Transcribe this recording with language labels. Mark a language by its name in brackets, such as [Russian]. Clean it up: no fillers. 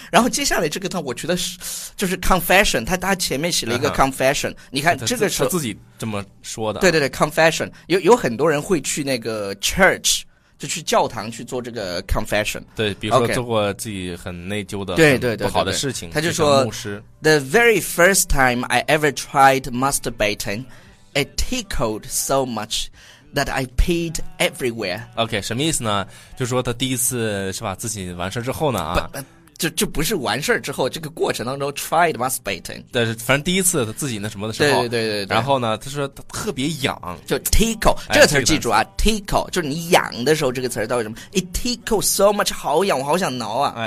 [Chinese] 然后接下来这个，他我觉得是就是 confession， 他前面写了一个 confession。你看这个是他自己这么说的。对对对 ，confession 有很多人会去那个 church。就去教堂去做这个 confession，对，比如说做过自己很内疚的、对对对，不好的事情。他就说，牧师 [English] ，The very first time I ever tried masturbating, it tickled so much that I peed everywhere. [Chinese] OK， 什么意思呢？就是说他第一次是吧，自己完事之后呢啊。就不是完事之后，这个过程当中 [English] tried masturbating， [Chinese] 但是反正第一次他自己那什么的时候，对对 对， 对， 对，然后呢他说他特别痒，就 tickle 这个词记住啊、哎这个、 tickle 就是你痒的时候，这个词到底什么， [English] it tickles so much， [Chinese] 好痒，我好想挠啊、